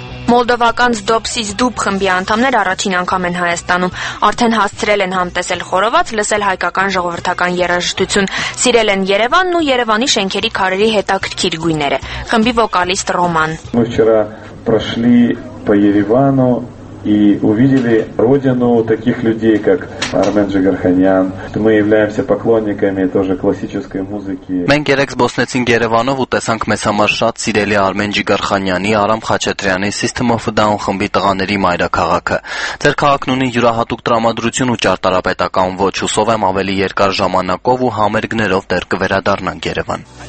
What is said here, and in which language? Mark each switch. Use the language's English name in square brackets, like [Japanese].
[Armenian] Մոլդովական զդոպսից դուբ խմբի անդամներ առաջին անգամ են Հայաստանում։ Արդեն հասցրել են համտեսել խորոված, լսել հայկական ժողովրդական երաժշտություն, սիրել են Երևանն ու Երևանի շենքերի քարերի հետաքրքիր գույները։ Խմբի վոկալիստ Ռոման. [Russian] Мы вчера прошли по Еревану и увидели родину таких людей, как Армен Джигарханян. Мы являемся поклонниками тоже классической музыки. [Armenian] Մենք երեք զբոսնեցինք Երևանով ու տեսանք մեզ համար շատ սիրելի Արմեն Ջիգարխանյանի, Արամ Խաչատրյանի, System of a Down խմբի տղաների մայրաքաղաքը։ Ձեր քաղաքն ունի յուրահատուկ տրամադրություն ու ճարտարապետական ոչ, հուսով եմ ավելի երկար ժամանակով ու համերգներով դեռ կվերադառնանք Երևան։